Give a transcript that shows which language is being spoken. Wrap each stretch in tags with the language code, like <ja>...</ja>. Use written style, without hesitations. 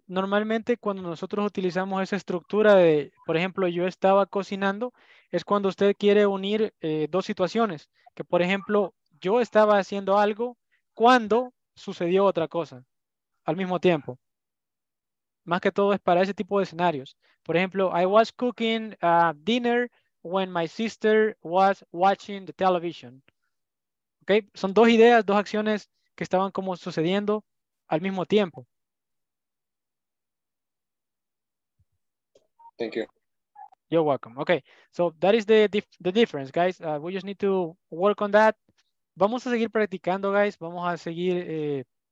<es>Normalmente cuando nosotros utilizamos esa estructura de, por ejemplo, yo estaba cocinando, es cuando usted quiere unir dos situaciones. Que, por ejemplo, yo estaba haciendo algo cuando sucedió otra cosa al mismo tiempo. Más que todo es para ese tipo de escenarios. Por ejemplo,</es> <en>I was cooking dinner when my sister was watching the television. Okay?</en> <es>Son dos ideas, dos acciones que estaban como sucediendo al mismo tiempo.</es> <en>Thank you. You're welcome. Okay, so that is the difference, guys. We just need to work on that.</en> <es>Vamos a seguir practicando, guys. Vamos a seguir...</es>